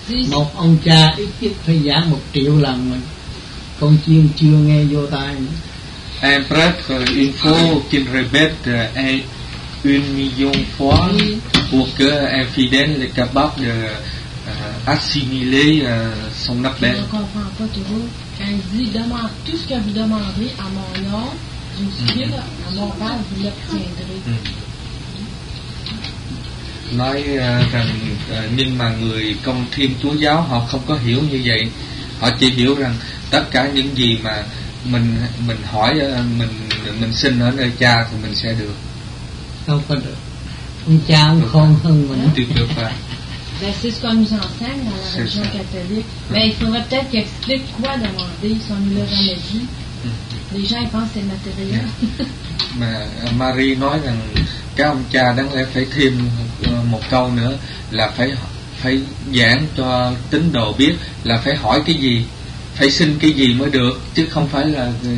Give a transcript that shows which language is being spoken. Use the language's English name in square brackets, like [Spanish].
[Vietnamese] Một ông cha ít nhất phải giảng 1 triệu lần mà con chiên chưa nghe vô tai nữa. [French] Un prêtre, il faut qu'il répète 1 million de fois pour qu'un fidèle est capable d'assimiler son appel. Je ne comprends pas toujours. Quand il dit, demande tout ce que vous demandez à mon nom, je vous dis, à mon père, vous l'obtiendrez. [Vietnamese] Nói rằng, nhưng mà người công thiên chúa giáo, họ không có hiểu như vậy. Họ chỉ hiểu rằng, tất cả những gì mà mình hỏi mình xin ở nơi cha thì mình sẽ được. Không có được. Ông cha ông khôn hơn mình. Tuyệt vời. [French] C'est ce qu'on nous enseigne dans la religion catholique. Mais il faudrait peut-être qu'il explique quoi demander si on ne l'a jamais dit. Les gens ils pensent c'est matériel. [Vietnamese] Mà Marie nói rằng các ông cha đáng lẽ phải thêm một câu nữa là phải giảng cho tín đồ biết là phải hỏi cái gì. Phải xin cái gì mới được chứ không phải là